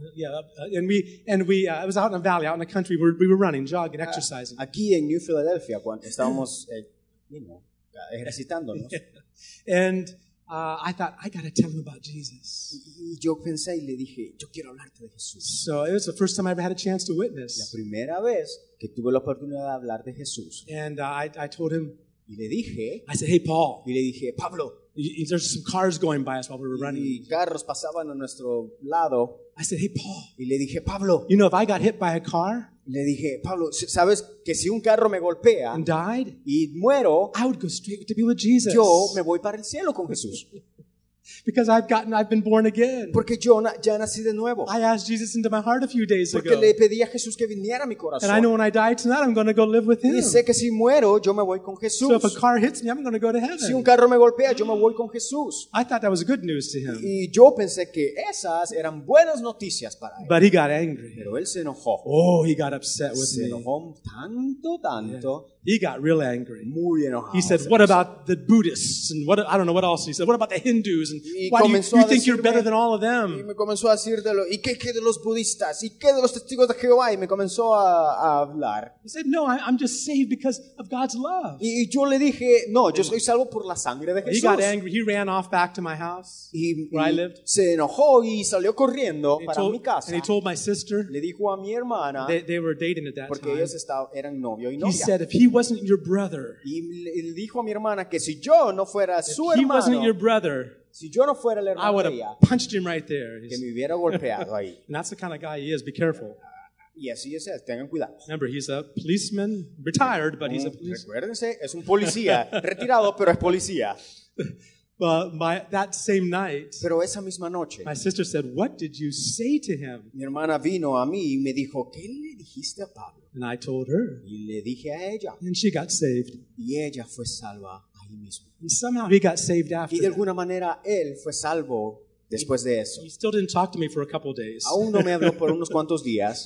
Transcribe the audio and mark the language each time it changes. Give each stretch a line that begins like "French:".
English: Yeah, and we it was out in a valley, out in the country. We were running, jogging, exercising.
Spanish: Aquí en New Philadelphia, cuando estábamos, ejercitándonos.
English: Yeah. And I thought, I gotta tell him about Jesus.
Spanish: Y yo pensé y le dije, yo quiero hablarte de Jesús.
English: So it was the first time I ever had a chance to witness.
Spanish: La primera vez que tuve la oportunidad de hablar de Jesús.
English: And I told him,
Spanish: y le dije,
English: I said, hey Paul.
Spanish: Y le dije, Pablo.
English: There's some cars going by us while we were running.
Spanish: Y carros pasaban a nuestro lado.
English: I said, "Hey, Paul."
Spanish: Y le dije, "Pablo."
English: You know, if I got hit by a car.
Spanish: Le dije, "Pablo, sabes que si un carro me golpea
English: and died,
Spanish: y muero,
English: I would go straight to be with Jesus.
Spanish: Yo me voy para el cielo con Jesús."
English: Because I've been born again.
Spanish: Porque yo ya nací de nuevo.
English: I asked Jesus into my heart a few days
Spanish: porque
English: ago.
Spanish: Le pedí a Jesús que viniera a mi corazón.
English: And I know when I die tonight, I'm going to go live with Him.
Spanish: Y sé que si muero, yo me voy con Jesús.
English: So if a car hits me, I'm going to go to heaven.
Spanish: Si un carro me golpea, yo me voy con Jesús.
English: I thought that was good news to him.
Spanish: Y yo pensé que esas eran buenas noticias para él.
English: But he got angry.
Spanish: Pero él se enojó.
English: Oh, he got upset with
Spanish: me. Se enojó tanto, tanto. Yeah.
English: He got real angry.
Spanish: Muy enojado.
English: He said, "What about the Buddhists? And what, I don't know what else." He said, "What about the Hindus? And
Spanish: y
English: why do you think
Spanish: decirme,
English: you're better than all of them?"
Spanish: Y me comenzó a decir de lo, ¿y qué de los budistas? ¿Y qué de los testigos de Jehová? Y me comenzó a hablar.
English: He said, "No, I'm just saved because of God's love."
Spanish: Y yo le dije, "No, yo soy salvo por la sangre de Jesús."
English: He got angry. He ran off back to my house where I lived.
Spanish: Se enojó y salió corriendo
English: and
Spanish: para mi casa.
English: And he told my sister.
Spanish: Le dijo a mi hermana.
English: They were dating at that
Spanish: porque
English: time.
Spanish: Porque ellos estaban eran novio y novia.
English: He said, "If he wasn't your brother."
Spanish: Y le dijo a mi hermana que si yo no fuera su hermano,
English: if he wasn't your brother,
Spanish: si yo no fuera el hermano
English: I would have punched him right there.
Spanish: Que me hubiera golpeado ahí.
English: And that's the kind of guy he is. Be careful. Yes, he says,
Spanish: tengan cuidado.
English: Remember, he's a policeman, retired, but he's a policeman.
Spanish: Recuérdense, es un policía, retirado, pero es policía.
English: But that same night,
Spanish: pero esa misma noche,
English: my sister said, "What did you say to him?"
Spanish: Mi hermana vino a mí y me dijo, "¿Qué le dijiste a Pablo?"
English: And I told her.
Spanish: Y le dije a ella.
English: And she got saved.
Spanish: Y ella fue salva ahí mismo.
English: And somehow he got saved after.
Spanish: Y de alguna manera él fue salvo después de eso.
English: He still didn't talk to me for a couple of days.
Spanish: Aún no me habló por unos cuantos días.